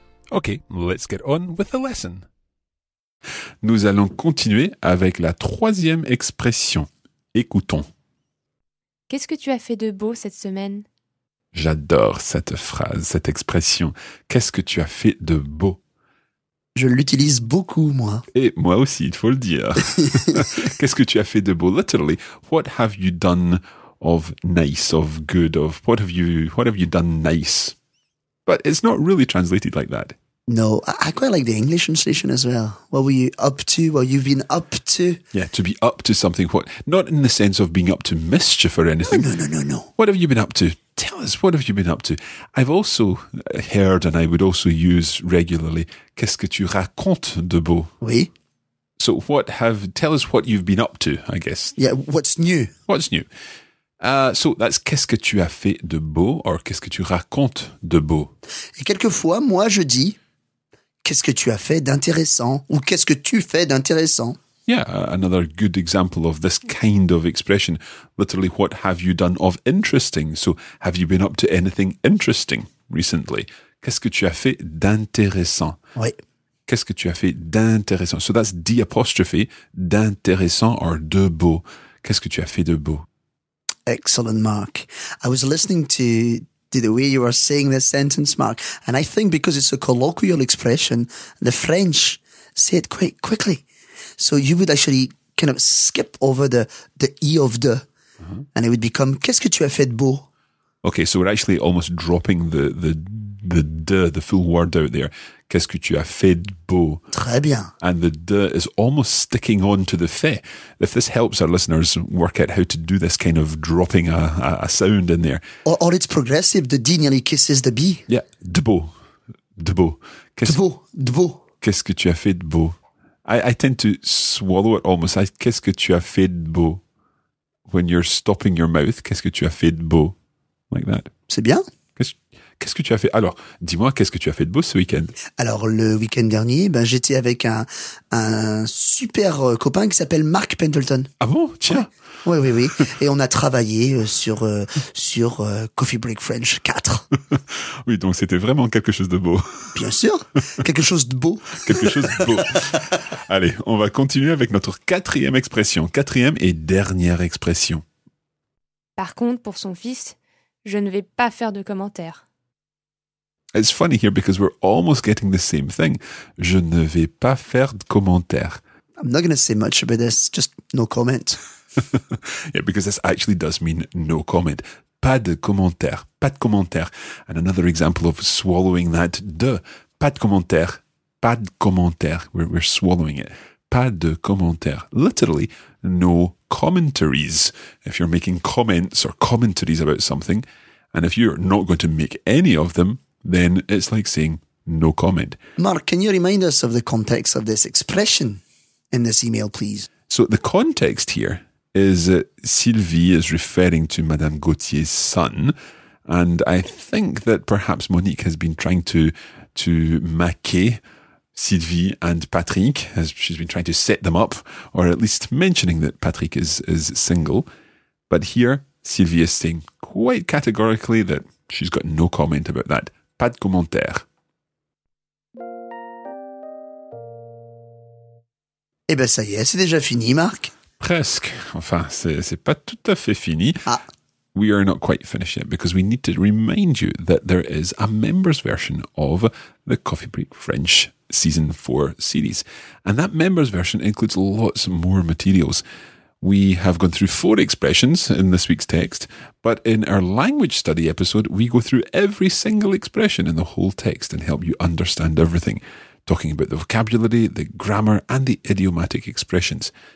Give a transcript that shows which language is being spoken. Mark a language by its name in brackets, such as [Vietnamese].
[English] Okay, let's get on with the lesson. [French] Nous allons continuer avec la troisième expression. Écoutons. Qu'est-ce que tu as fait de beau cette semaine? J'adore cette phrase, cette expression. Qu'est-ce que tu as fait de beau? Je l'utilise beaucoup, moi. Et moi aussi, il faut le dire. Qu'est-ce que tu as fait de beau? [English] Literally, what have you done of nice, of good, of what have you done nice? But it's not really translated like that. No, I quite like the English translation as well. What were you up to? What you've been up to? Yeah, to be up to something. What? Not in the sense of being up to mischief or anything. No. What have you been up to? Tell us, what have you been up to? I've also heard, and I would also use regularly, [French] qu'est-ce que tu racontes de beau? Oui. [English] So what have, tell us what you've been up to, I guess. Yeah, what's new? What's new? So that's [French] qu'est-ce que tu as fait de beau or qu'est-ce que tu racontes de beau? Et quelquefois, moi, je dis qu'est-ce que tu as fait d'intéressant ou qu'est-ce que tu fais d'intéressant? [English] Yeah, another good example of this kind of expression. Literally, what have you done of interesting? So have you been up to anything interesting recently? [French] Qu'est-ce que tu as fait d'intéressant? Oui. Qu'est-ce que tu as fait d'intéressant? [English] So that's d' apostrophe, [French] d'intéressant or de beau. Qu'est-ce que tu as fait de beau? [English] Excellent, Mark. I was listening to the way you were saying this sentence, Mark, and I think because it's a colloquial expression, the French say it quite quickly. So you would actually kind of skip over the E of de, and it would become, [French] qu'est-ce que tu as fait de beau? [English] Okay, so we're actually almost dropping the full word out there. [French] Qu'est-ce que tu as fait de beau? Très bien. [English] And the de is almost sticking on to the fait. If this helps our listeners work out how to do this kind of dropping a sound in there. Or it's progressive, the D nearly kisses the B. Yeah, [French] de beau. De beau. Qu'est-ce, de beau. De beau. Qu'est-ce que tu as fait de beau? [English] I tend to swallow it almost. [French] Qu'est-ce que tu as fait de beau? [English] When you're stopping your mouth, [French] qu'est-ce que tu as fait de beau? [English] Like that. [French] C'est bien. Qu'est-ce que tu as fait? Alors, dis-moi, qu'est-ce que tu as fait de beau ce week-end? Alors, le week-end dernier, ben, j'étais avec un super copain qui s'appelle Mark Pendleton. Ah bon? Tiens. Ouais. Oui. Et on a travaillé sur Coffee Break French 4. Oui, donc c'était vraiment quelque chose de beau. Bien sûr, quelque chose de beau. Quelque chose de beau. Allez, on va continuer avec notre quatrième expression. Quatrième et dernière expression. Par contre, pour son fils, Je ne vais pas faire de commentaires. [English] It's funny here because we're almost getting the same thing. [French] Je ne vais pas faire de commentaires. [English] I'm not going to say much about this, just no comment. Yeah, because this actually does mean no comment. [French] Pas de commentaire, pas de commentaire. [English] And another example of swallowing that de, [French] pas de commentaire, pas de commentaire. [English] We're swallowing it. [French] Pas de commentaire. [English] Literally, no commentaries. If you're making comments or commentaries about something, and if you're not going to make any of them, then it's like saying no comment. Mark, can you remind us of the context of this expression in this email, please? So the context here is Sylvie is referring to Madame Gauthier's son. And I think that perhaps Monique has been trying to maquer Sylvie and Patrick. She's been trying to set them up, or at least mentioning that Patrick is single. But here, Sylvie is saying quite categorically that she's got no comment about that. [French] Pas de commentaire. Eh ben ça y est, c'est déjà fini, Marc. Presque. Enfin, c'est pas tout à fait fini. Ah. [English] We are not quite finished yet because we need to remind you that there is a members version of the Coffee Break French Season 4 series. And that members version includes lots more materials. We have gone through 4 expressions in this week's text, but in our language study episode, we go through every single expression in the whole text and help you understand everything, talking about the vocabulary, the grammar, and the idiomatic expressions.